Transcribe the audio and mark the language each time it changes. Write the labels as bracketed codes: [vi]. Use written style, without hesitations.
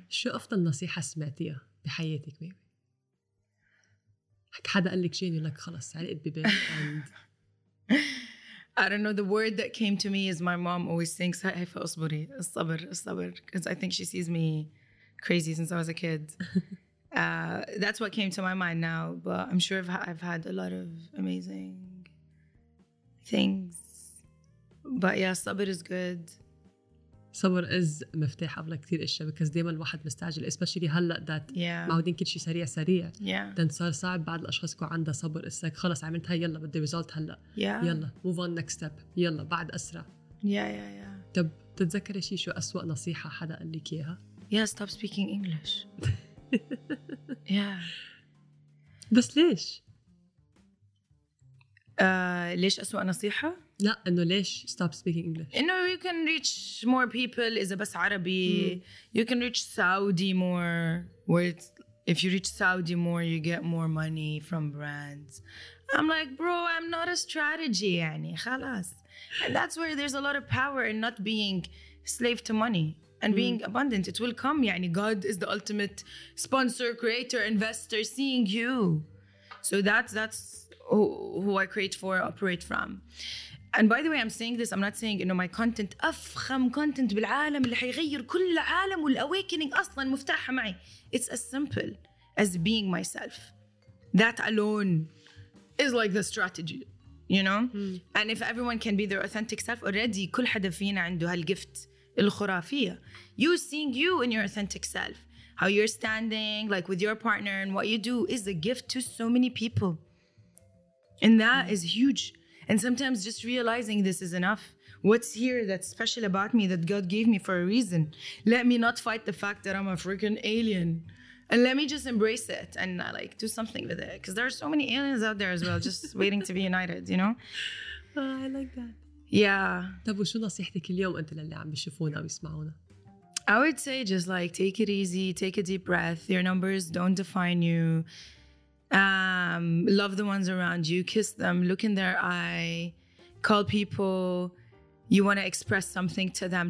[ar] شو أفضل نصيحة سمعتيها بحياتك بيبي؟ حدا قال لك جيني لك خلص علقت ببالك and... [en] I don't know, the word that came to me is my mom always saying, Haifa, asbari, asabar, asabar, because I think she sees me crazy since I was a kid. That's what came to my mind now, but I'm sure I've had a lot of amazing things. But yeah, sabar is good. Sabar is [ar] مفتاح أبلا كثير إشياء, [en] because [ar] دايما الواحد مستعجل, [en] especially [ar] هلأ that معودين كل شيء سريع سريع. [en] Yeah. [ar] Then صار صعب بعض الأشخاص يكون عنده صبر, [en] it's like [ar] خلص عملتها يلا بدي result هلأ. [en] Yeah. [ar] يلا [en] move on next step. [ar] يلا بعد أسرع. [en] Yeah. [ar] طب تتذكر شيء شو أسوأ نصيحة حدا قال لك إياها؟ [en] Yeah, stop speaking English. Yeah. [ar] بس ليش؟ ليش أسوأ نصيحة؟ لا إنه ليش [en] stop speaking English؟ إنه you can reach more people [ar] إذا بس عربي. [en] You can reach Saudi more, where it's, if you reach Saudi more you get more money from brands. I'm like, bro, I'm not a strategy [ar] يعني خلاص. [en] And that's where there's a lot of power in not being slave to money and being abundant. It will come يعني God is the ultimate sponsor, creator, investor, seeing you. So that's who I create for, operate from. And by the way, I'm saying this, I'm not saying, you know, my content, [ar] أفخم content بالعالم اللي حيغير كل العالم والأواكينينج أصلاً مفتاحة معي. [en] It's as simple as being myself. That alone is like the strategy, you know? And if everyone can be their authentic self already, [ar] كل حدا فينا عنده هالجفت الخرافية. [en] You seeing you in your authentic self, how you're standing, like with your partner and what you do is a gift to so many people. And that is huge. And sometimes just realizing this is enough. What's here that's special about me that God gave me for a reason? Let me not fight the fact that I'm a freaking alien. And let me just embrace it and like do something with it. Because there are so many aliens out there as well, just waiting to be united, you know? Oh, I like that. Yeah. [ar] طب وشو نصيحتك اليوم أنت للي عم بيشوفونا ويسمعونا؟ [en] I would say just like take it easy, take a deep breath. Your numbers don't define you. Love the ones around you, kiss them, look in their eye, call people you want to express something to them.